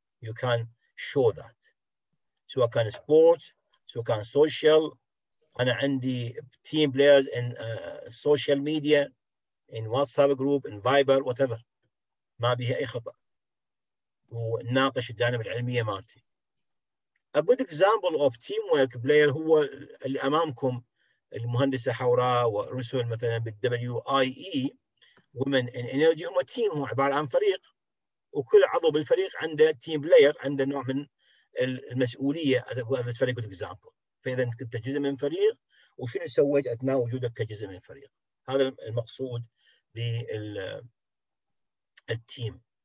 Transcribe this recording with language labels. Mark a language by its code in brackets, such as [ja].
[en] You can show that. [ar] سواء كان سبورت، سواء كان سوشيال، انا عندي تيم بلايرز ان سوشيال ميديا، ان واتساب جروب، ان فايبر، whatever. ما بيها اي خطا. وناقش الجانب العلميه مالتي. [en] A good example of teamwork player [ar] هو اللي امامكم، المهندسه حوراء ورسول مثلا بال WIE Women in Energy. هم تيم، هو عباره عن فريق، وكل عضو بالفريق عنده تيم بلاير، عنده نوع من المسؤوليه. هذا [en] Very good example. [ar] فاذا كنت جزء من فريق، وشنو سويت اثناء وجودك كجزء من الفريق؟ هذا المقصود بالتيم.